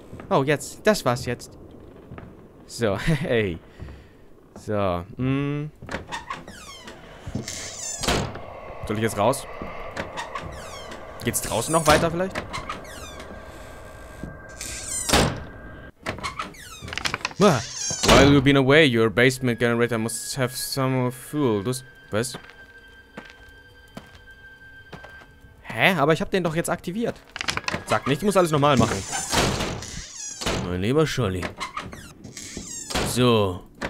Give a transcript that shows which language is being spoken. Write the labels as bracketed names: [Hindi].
[German] Oh, jetzt. Das war's jetzt. So, hey. So, Soll ich jetzt raus? Geht's draußen noch weiter vielleicht? [English] While you've been away, your basement generator must have some fuel. [German] Was? Hä? Aber ich hab den doch jetzt aktiviert. Sag nicht, ich muss alles normal machen. Mein lieber Scholli. So.